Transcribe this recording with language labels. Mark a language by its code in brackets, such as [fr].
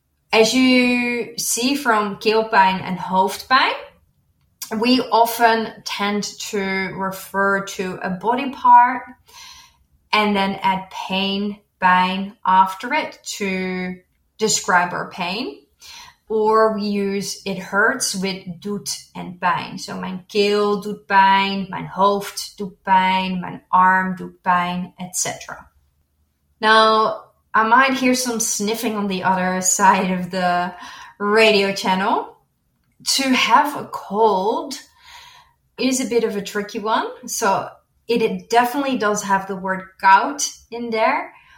[en] As you see from keelpijn and hoofdpijn, we often tend to refer to a body part and then add pain, pijn after it to describe our pain. Or we use it hurts with doet and pijn. [nl] So mijn keel doet pijn, mijn hoofd doet pijn, mijn arm doet pijn, etc. [en] Now, I might hear some sniffing on the other side of the radio channel. To have a cold is a bit of a tricky one. So it definitely does have the word koud in there.